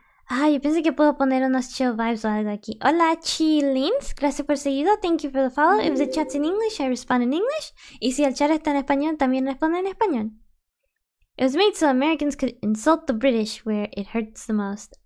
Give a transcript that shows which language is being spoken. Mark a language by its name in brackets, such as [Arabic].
[Spanish] Ah, yo pensé que puedo poner unos chill vibes o algo aquí. Hola, Chilins. Gracias por seguido. [English] Thank you for the follow. If the chat's in English, I respond in English. [Spanish] Y si el chat está en español, también respondo en español. [English] It was made so Americans could insult the British where it hurts the most.